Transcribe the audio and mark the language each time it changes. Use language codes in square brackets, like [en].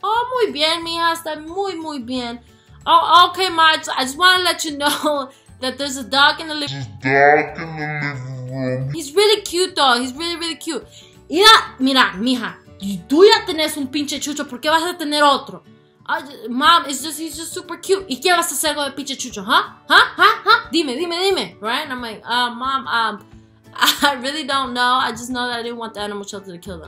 [es] Oh, muy bien, mija, está muy, muy bien. [en] Oh, okay, ma, I just want to let you know that there's a dog in the living room. He's really cute, though. He's really, really cute. [es] Mira, mija, tú ya tienes un pinche chucho, ¿por qué vas a tener otro? [en] Mom, he's just super cute. [es] ¿Y qué vas a hacer con el pinche chucho, huh? Dime. [en] Right? And I'm like, mom, I really don't know. I just know that I didn't want the animal shelter to kill them.